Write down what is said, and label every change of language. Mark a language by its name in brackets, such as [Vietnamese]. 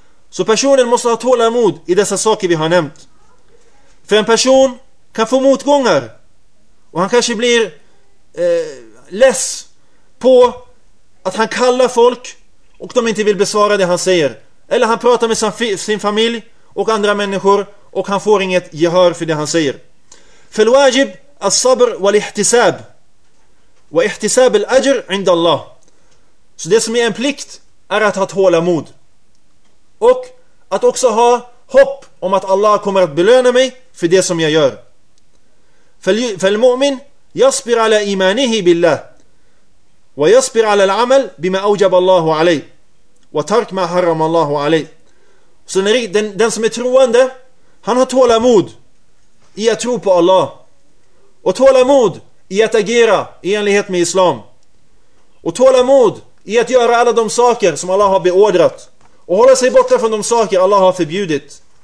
[Swedish] Så personen måste ha tålamod i dessa saker vi har nämnt, för en person kan få motgångar och han kanske blir less på att han kallar folk och de inte vill besvara det han säger, eller han pratar med sin familj och andra människor, och han får inget gehör för det han säger. [Arabic] فالواجب الصبر والاحتساب واحتساب الأجر عند الله. [Swedish] Så det som är en plikt är att ha tålamod och att också ha hopp om att Allah kommer att belöna mig för det som jag gör. [Arabic] فالمؤمن يصبر على إيمانه بالله ويصبر على العمل بما أوجب الله عليه وترك ما حرم الله عليه. [Swedish] Så den som är troende, han har tålamod i att tro på Allah och tålamod i att agera i enlighet med islam och tålamod i att göra alla de saker som Allah har beordrat och hålla sig borta från de saker Allah har förbjudit.